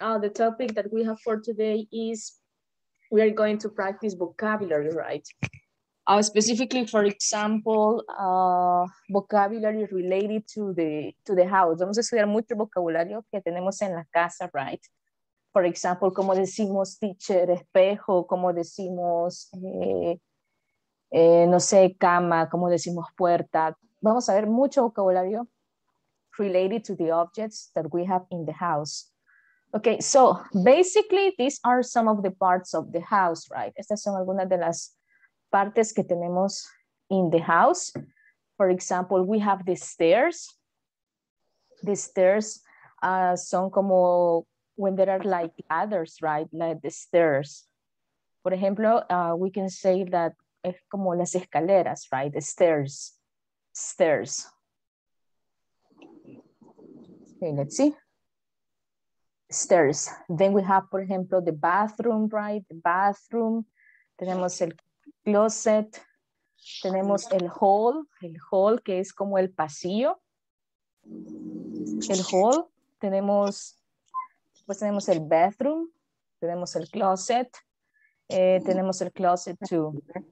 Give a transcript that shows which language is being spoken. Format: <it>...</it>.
<en>The topic that we have for today is we are going to practice vocabulary, right? Specifically, for example, vocabulary related to the house.</en> <es>Vamos a estudiar mucho vocabulario que tenemos en la casa,</es> <en>right? For example,</en> <es>como decimos teacher, espejo, como decimos, no sé, cama, como decimos puerta. Vamos a ver mucho vocabulario</es> <en>related to the objects that we have in the house. Okay, so basically these are some of the parts of the house, right?</en> <es>Estas son algunas de las partes que tenemos</es> <en>in the house. For example, we have the stairs. The stairs</en> <es>son como</es> <en>when there are like ladders, right? Like the stairs.</en> <es>Por ejemplo,</es> <en>we can say that</en> <es>es como las escaleras,</es> <en>right? The stairs, stairs. Okay, let's see. Stairs. Then we have, for example, the bathroom, right? The bathroom.</en> <es>Tenemos el closet. Tenemos el hall que es como el pasillo. El hall. Tenemos, pues tenemos el bathroom. Tenemos el closet. Tenemos el closet too.</es>